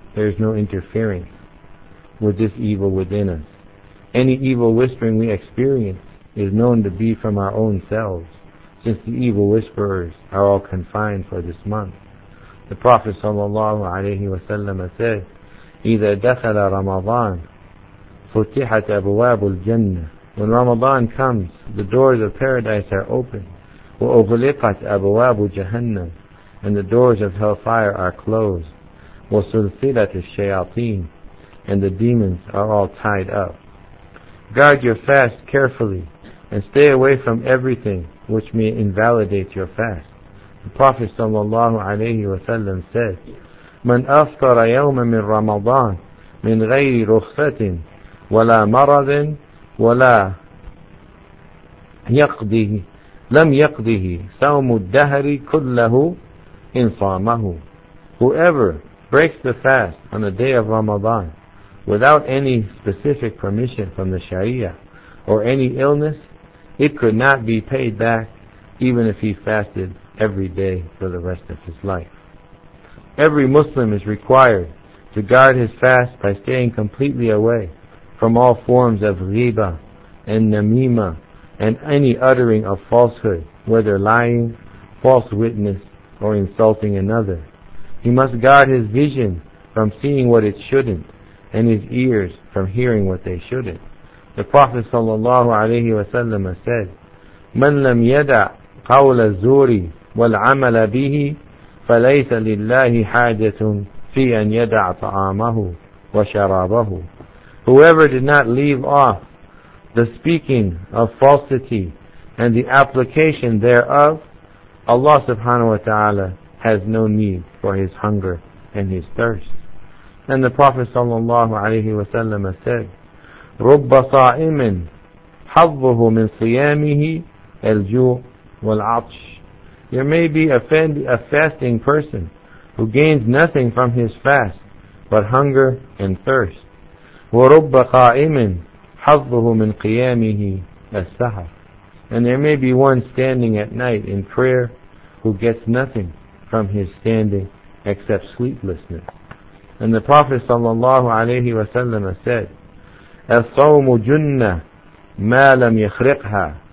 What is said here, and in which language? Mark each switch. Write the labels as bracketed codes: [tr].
[en] There is no interference with this evil within us. Any evil whispering we experience is known to be from our own selves, since the evil whisperers are all confined for this month. The Prophet sallallahu alayhi wa sallam said, [ar] إذا دخل رمضان فتحت أبواب الجنة. [en] When Ramadan comes, the doors of paradise are open. [ar] وأغلقت أبواب جهنم, [en] and the doors of hellfire are closed. [ar] وسلسلت الشياطين, [en] and the demons are all tied up. Guard your fast carefully, and stay away from everything which may invalidate your fast. The Prophet sallallahu alayhi wa sallam said, [ar] من أفطر يوما من رمضان من غير رخصة ولا مرض ولا يقضيه لم يقضيه صوم الدهر كله إن صامه. [en] Whoever breaks the fast on the day of Ramadan without any specific permission from the Sharia or any illness, it could not be paid back even if he fasted every day for the rest of his life. Every Muslim is required to guard his fast by staying completely away from all forms of riba and namima and any uttering of falsehood, whether lying, false witness, or insulting another. He must guard his vision from seeing what it shouldn't, and his ears from hearing what they shouldn't. The Prophet sallallahu alayhi wa sallam said, [ar] من لم يدع قول الزور والعمل به فليس لله حاجة في أن يدع طعامه وشرابه. [en] Whoever did not leave off the speaking of falsity and the application thereof, Allah subhanahu wa ta'ala has no need for his hunger and his thirst. And the Prophet sallallahu alayhi wa sallam said, [ar] رب صائم حظه من صيامه الجوع والعطش. [en] There may be a fasting person who gains nothing from his fast but hunger and thirst. [ar] ورب قائم حظه من قيامه السهر. [en] And there may be one standing at night in prayer who gets nothing from his standing except sleeplessness. And the Prophet sallallahu alayhi wa sallam said, [ar] الصوم جنة ما لم يخرقها.